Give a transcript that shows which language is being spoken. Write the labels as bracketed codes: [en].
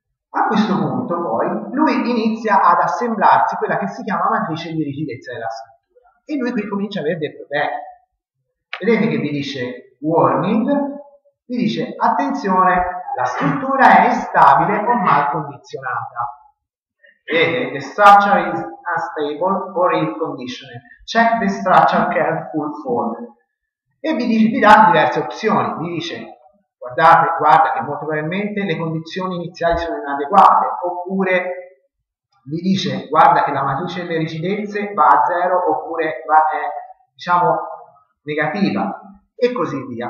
[it] A questo punto poi lui inizia ad assemblarsi quella che si chiama matrice di rigidezza della struttura, e lui qui comincia a avere dei problemi. Vedete che vi dice warning, vi dice attenzione, la struttura è instabile o mal condizionata. Vedete, [en] the structure is unstable or in condition. Check the structure careful form. [it] E vi dà diverse opzioni. Vi dice, guarda che molto probabilmente le condizioni iniziali sono inadeguate. Oppure vi dice, guarda che la matrice delle rigidezze va a zero, oppure è, diciamo, negativa. E così via.